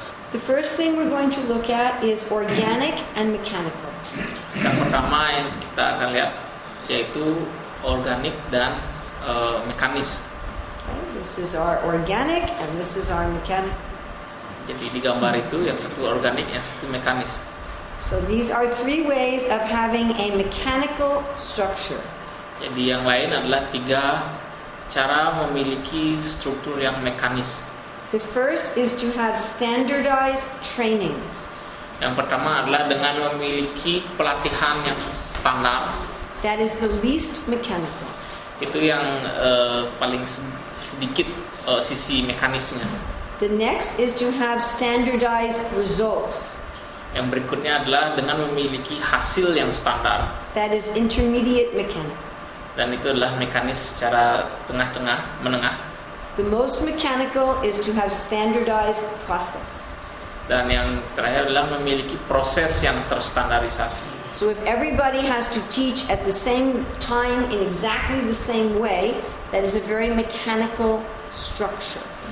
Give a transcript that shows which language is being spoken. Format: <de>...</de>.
<en>The first thing we're going to look at is organic and mechanical.</en> <id>Yang pertama yang kita akan lihat yaitu organik dan mekanis.</id> <en>Okay, this is our organic and this is our mechanic.</en> <id>Jadi di gambar itu yang satu organik, yang satu mekanis.</id> <en>So these are three ways of having a mechanical structure.</en> <id>Jadi yang lain adalah tiga cara memiliki struktur yang mekanis.</id> <en>The first is to have standardized training.</en> <id>Yang pertama adalah dengan memiliki pelatihan yang standar.</id> <en>That is the least mechanical.</en> <id>Itu yang paling sedikit sisi mekanisnya.</id> <en>The next is to have standardized results.</en> <id>Yang berikutnya adalah dengan memiliki hasil yang standar.</id> <en>That is intermediate mechanical.</en> <id>Dan itu adalah mekanis secara tengah-tengah, menengah.</id> <en>The most mechanical is to have standardized process.</en> <id>Dan yang terakhir adalah memiliki proses yang terstandarisasi.</id> <en>So if everybody has to teach at the same time in exactly the same way, that is a very mechanical structure.</en>